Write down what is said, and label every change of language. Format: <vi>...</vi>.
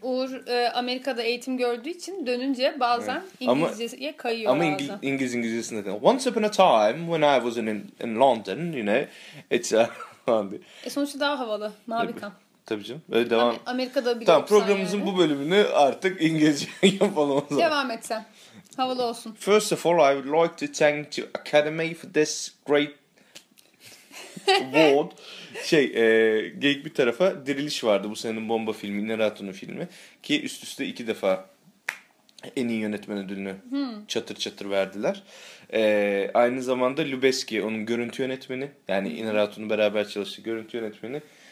<tr>Uğur Amerika'da eğitim gördüğü için dönünce bazen İngilizceye kayıyor. Ama İngilizcesinde de.</tr> <en>Once upon a time when I was in London, you know, it's a...</en> <tr>sonuçta daha havalı. Mavi kan. Tabii canım. Böyle devam. Amerika'da biliyorum. Tamam, programımızın yani bu bölümünü artık İngilizce yapalım o zaman. Devam et sen. Havalı olsun.</tr> <en>First of all, I would like to thank the Academy for this great award.</en> <tr>Geyik bir tarafa, Diriliş vardı bu senenin bomba filmi, Inarritu'nun filmi. Ki üst üste iki defa en iyi yönetmen ödülünü çatır çatır verdiler. Aynı zamanda Lubezki, onun görüntü yönetmeni, yani Inarritu'nun beraber çalıştığı görüntü yönetmeni.</tr>